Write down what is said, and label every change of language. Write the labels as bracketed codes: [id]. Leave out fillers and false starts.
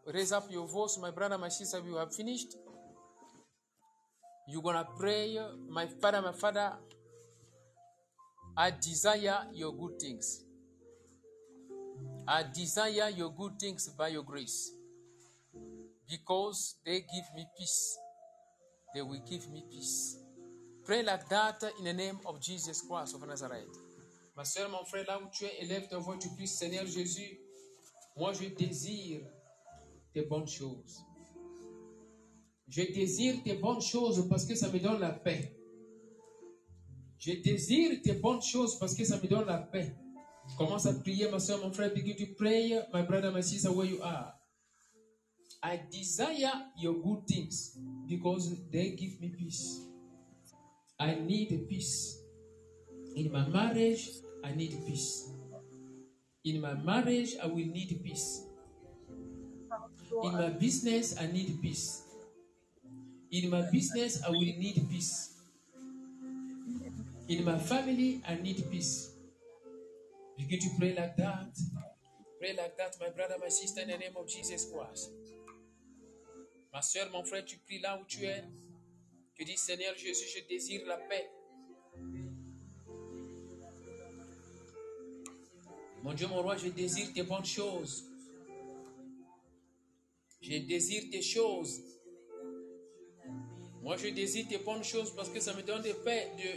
[en] Raise up your voice, my brother, my sister, you have finished. You're going to pray, my father, I desire your good things. I desire your good things by your grace. Because they give me peace. They will give me peace. Pray like that in the name of Jesus Christ of Nazareth. [fr] Ma soeur, mon frère, là où tu es, élève ta voix, tu puisses, Seigneur Jésus, moi je désire tes bonnes choses. Je désire tes bonnes choses parce que ça me donne la paix. Je désire tes bonnes choses parce que ça me donne la paix. Commence à prier, ma soeur, mon frère, [en] begin to pray, my brother, my sister, where you are. I desire your good things because they give me peace. I need peace. In my marriage, I need peace. In my marriage, I will need peace. In my business, I need peace. In my business, I will need peace. In my family, I need peace. Begin to pray like that. Pray like that, my brother, my sister, in the name of Jesus Christ. [fr] Ma soeur, mon frère, tu pries là où tu es. Tu dis, Seigneur Jésus, je désire la paix. Mon Dieu, mon roi, je désire tes bonnes choses. Je désire tes choses. Moi, je désire tes bonnes choses parce que ça me donne de paix.